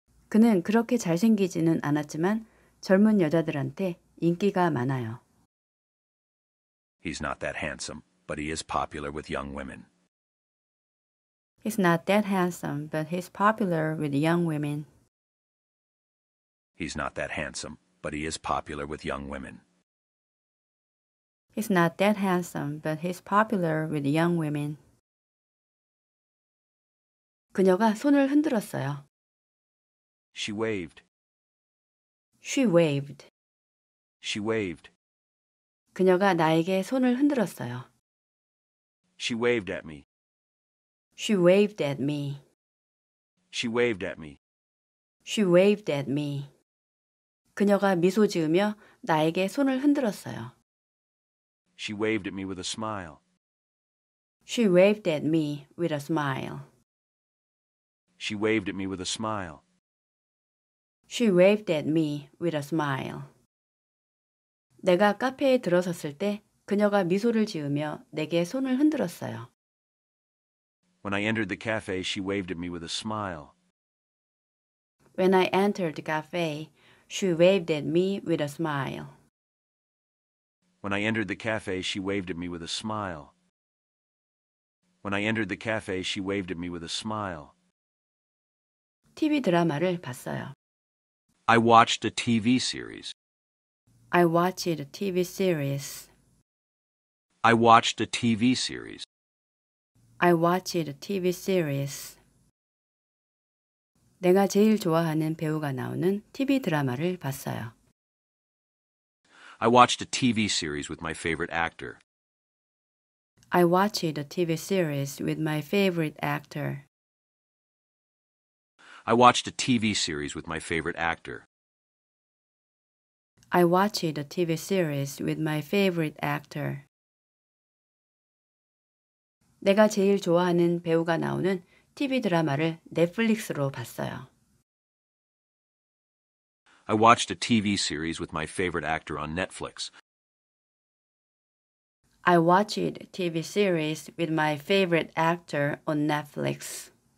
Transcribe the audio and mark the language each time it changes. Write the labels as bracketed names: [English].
[Korean] 그는 그렇게 잘생기지는 않았지만 젊은 여자들한테 인기가 많아요. [English] He's not that handsome, but he is popular with young women. He's not that handsome, but he's popular with young women. He's not that handsome, but he is popular with young women. He's not that handsome, but he's popular with young women. [Korean] 그녀가 손을 흔들었어요. [English] She waved. She waved. She waved. [Korean] 그녀가 나에게 손을 흔들었어요. [English] She waved at me. She waved at me. She waved at me. She waved at me. [Korean] 그녀가 미소 지으며 나에게 손을 흔들었어요. [English] She waved at me with a smile. She waved at me with a smile. She waved at me with a smile. She waved at me with a smile. [Korean] 내가 카페에 들어섰을 때 그녀가 미소를 지으며 내게 손을 흔들었어요. [English] When I entered the cafe, she waved at me with a smile. When I entered the cafe, she waved at me with a smile. When I entered the cafe, she waved at me with a smile. When I entered the cafe, she waved at me with a smile. [Korean] TV 드라마를 봤어요. [English] I watched a TV series. I watched a TV series. I watched a TV series. I watched a TV series. [Korean] 내가 제일 좋아하는 배우가 나오는 TV 드라마를 봤어요. [English] I watched a TV series with my favorite actor. I watched a TV series with my favorite actor. I watched a TV series with my favorite actor. I watched a TV series with my favorite actor. [Korean] 내가 제일 좋아하는 배우가 나오는 TV 드라마를 넷플릭스로 봤어요. [English] I watched a TV series with my favorite actor on Netflix. I watched a TV series with my favorite actor on Netflix.